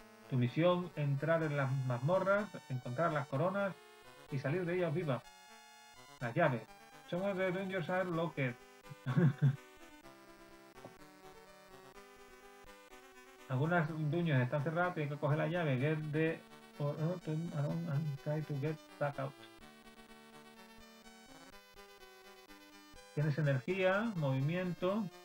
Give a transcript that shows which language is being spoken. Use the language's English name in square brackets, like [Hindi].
[Spanish] Tu misión, entrar en las mazmorras, encontrar las coronas y salir de ellas viva. Las llaves. Somos de Dungeons and Locker. Algunas dungeons están cerradas, tienes que coger la llave. [English] Get the and try to get back out. [Spanish] Tienes energía, movimiento.